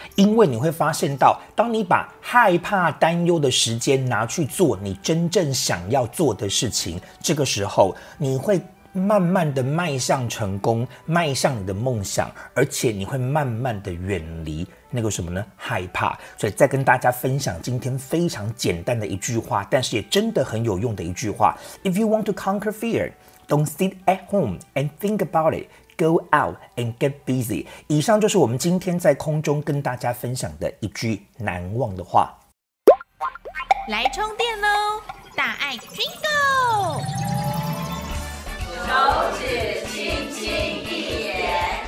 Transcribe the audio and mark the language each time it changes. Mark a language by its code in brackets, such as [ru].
[zh] 因为你会发现到，当你把害怕、担忧的时间拿去做你真正想要做的事情，这个时候你会慢慢的迈向成功，迈向你的梦想，而且你会慢慢的远离那个什么呢？害怕。所以再跟大家分享今天非常简单的一句话，但是也真的很有用的一句话。 [en] If you want to conquer fear, don't sit at home and think about it. Go out and get busy. [zh] 以上就是我们今天在空中跟大家分享的一句难忘的话。来充电咯，大爱 Jingle！手指轻轻一点，